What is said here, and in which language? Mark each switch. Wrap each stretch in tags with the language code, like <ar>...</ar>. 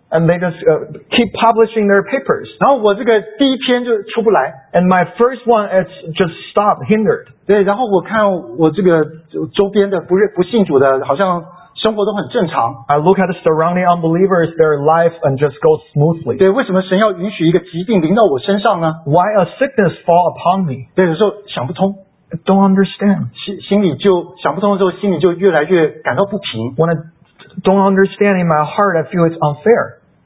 <en>And they just keep publishing their papers.</en> <zh>然后我这个第一篇就出不来。</zh> <en>And my first one, it's just stopped, hindered.</en> <zh>对，然后我看我这个周边的不信主的，好像生活都很正常。</zh> <en>I look at the surrounding unbelievers, their life and just go smoothly.</en> <zh>对，为什么神要允许一个疾病临到我身上呢？</zh> <en>Why a sickness fall upon me?</en> <zh>对，有时候想不通。</zh> <en>I don't understand.</en> <zh>心里就想不通的时候，心里就越来越感到不平。</zh> <en>Don't understand in my heart, I feel it's unfair.</en>